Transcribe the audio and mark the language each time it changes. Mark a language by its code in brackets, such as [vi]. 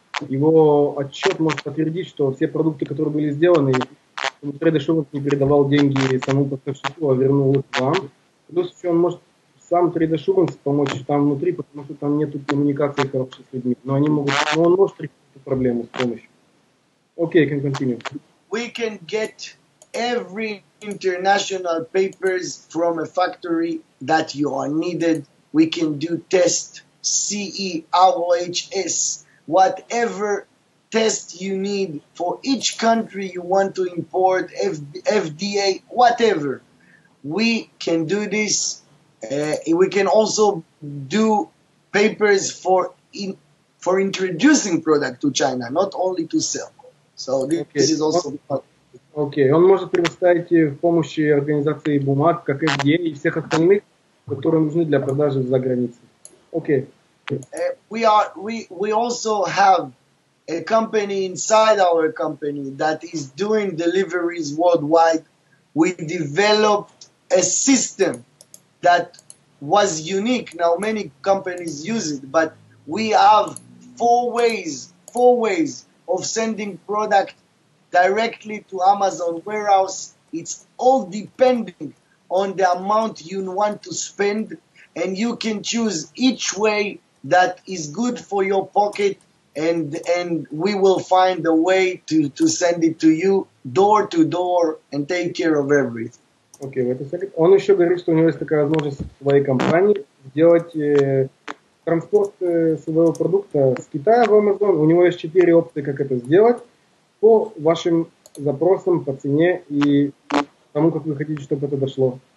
[ru] Его отчет может подтвердить, что все продукты, которые были сделаны, Трейд Ашуранс не передавал деньги самому поставщику, а вернул их вам. Плюс еще он может сам Трейд Ашуранс помочь там внутри, потому что там нет коммуникации хорошей с людьми. Но они могут, но он может решить эту проблему с помощью. [en] Окей, can continue. We can get every international papers from a factory that you are needed. We can do test CE, AOHS, whatever test you need for each country you want to import, FDA, whatever. We can do this. We can also do papers for introducing product to China, not only to sell. So this is also... [ru] Okay, он может предоставить в помощи организации бумаг, как FDA и всех остальных, которые нужны для продажи за границей. [en] Okay. We also have a company inside our company that is doing deliveries worldwide. We developed a system that was unique. Now many companies use it, but we have four ways of sending product directly to Amazon warehouse. It's all depending on the amount you want to spend, and you can choose each way that is good for your pocket. And we will find a way to send it to you door to door and take care of everything. Okay, wait a second. [ru] Он еще говорит, что у него есть такая возможность в своей компании сделать транспорт своего продукта с Китая в Amazon. У него есть 4 опции, как это сделать по вашим запросам, по цене и тому, как вы хотите, чтобы это дошло.